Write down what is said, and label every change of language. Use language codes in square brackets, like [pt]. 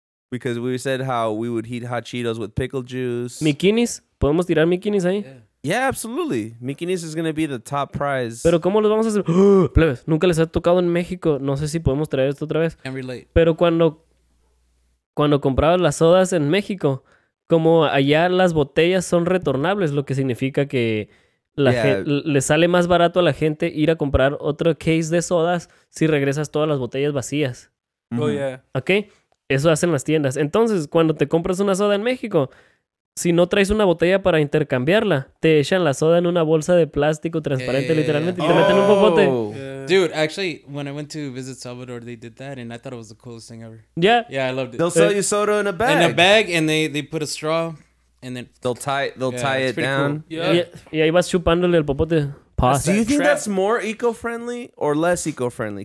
[en] Because we said how we would heat hot Cheetos with pickle juice. [es] ¿Mikinis? ¿Podemos tirar mikinis ahí? [en] Yeah, absolutely. Mikinis is going to be the top prize. [es] ¿Pero cómo los vamos a hacer? Plebes, nunca les ha tocado en México. No sé si podemos traer esto otra vez. [en] Can't relate. [es] Pero cuando comprabas las sodas en México, como allá las botellas son retornables, lo que significa que le sale más barato a la gente ir a comprar otro case de sodas si regresas todas las botellas vacías. [en] Mm-hmm. Oh, yeah. [es] ¿Ok? Eso hacen las tiendas. Entonces, cuando te compras una soda en México, si no traes una botella para intercambiarla, te echan la soda en una bolsa de plástico transparente, literalmente, y te meten un popote. [en] Yeah. Dude, actually, when I went to visit Salvador, they did that, and I thought it was the coolest thing ever. Yeah. Yeah, I loved it. They'll sell you soda in a bag. In a bag, and they put a straw, and then... They'll tie it down. [es] Cool. Yeah. Y ahí vas chupándole el popote. [en] Pause. Do you think that's more eco-friendly or less eco-friendly?